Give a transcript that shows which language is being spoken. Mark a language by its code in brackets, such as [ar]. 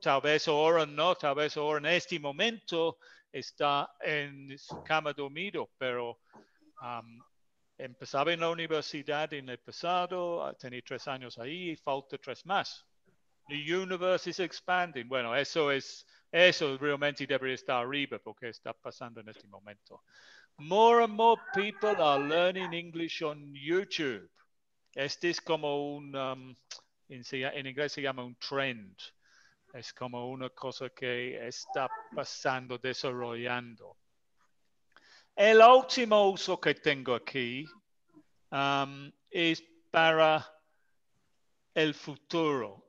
[es] Tal vez ahora no, tal vez ahora en este momento está en su cama dormido, pero empezaba en la universidad en el pasado, tenía 3 años ahí y falta 3 más. [en] The universe is expanding. [es] Bueno, eso realmente debería estar arriba porque está pasando en este momento. [en] More and more people are learning English on YouTube. [es] Este es como un, en inglés se llama un trend. Es como una cosa que está pasando, desarrollando. El último uso que tengo aquí es para el futuro.